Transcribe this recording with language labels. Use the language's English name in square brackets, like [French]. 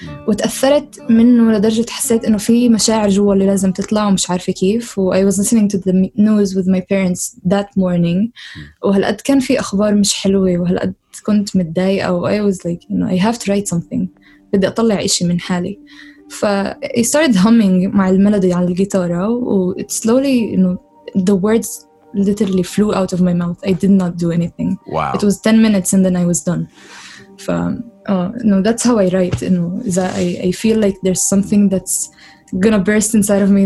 [Arabic] وتأثرت منه لدرجة حسيت إنه في مشاعر جوا اللي لازم تطلع ومش عارفة كيف. [English] I was listening to the news with my parents that morning. [Arabic] وهالقد كان في أخبار مش حلوة وهالقد كنت متضايقة. [English] I was like, you know, I have to write something. [Arabic] بدي أطلع إشي من حالي. [English] I started humming [Arabic] مع الملودي على الجيتارة. [English] It slowly, you know, the words literally flew out of my mouth. I did not do anything. Wow. It was 10 minutes and then I was done. No, that's how I write. You know, is that I feel like there's something that's gonna burst inside of me.